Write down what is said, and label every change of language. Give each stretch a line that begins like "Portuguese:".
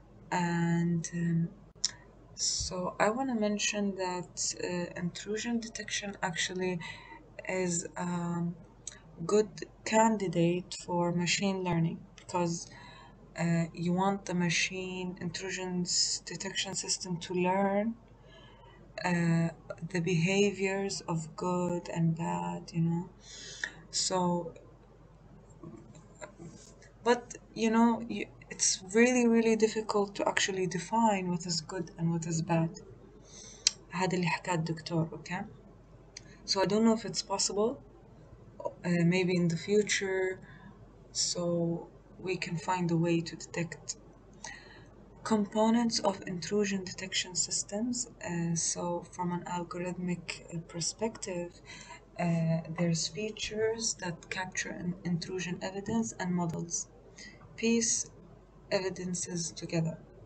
English: And so I want to mention that intrusion detection actually is a good candidate for machine learning, because you want the machine intrusion detection system to learn the behaviors of good and bad, you know. So, but you know, it's really, really difficult to actually define what is good and what is bad.
Arabic: هذا اللي حكى الدكتور, okay?
English: So I don't know if it's possible, maybe in the future, so we can find a way to detect. Components of intrusion detection systems. So from an algorithmic perspective, there's features that capture intrusion evidence and models piece evidences together.